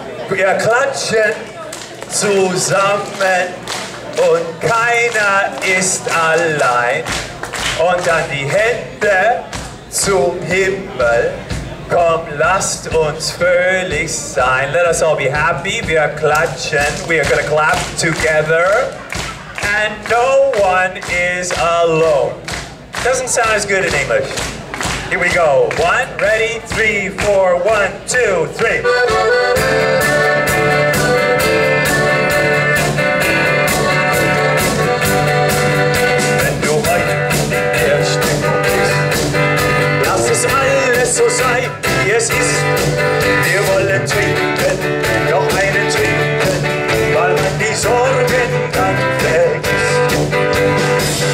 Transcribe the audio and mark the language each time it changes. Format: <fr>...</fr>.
<de>Wir klatschen zusammen und keiner ist allein. Und dann die Hände zum Himmel. Komm, lasst uns fröhlich sein.</de> <en>Let us all be happy.</en> <de>Wir klatschen.</de> <en>We are going to clap together. And no one is alone. Doesn't sound as good in English. Here we go. One, ready, three, four, one, two, three.</en> <de>Wenn du heute die erste bist, lass es alles so sein, wie es ist. Wir wollen trinken, noch einen trinken, weil man die Sorgen dann vergisst.</de>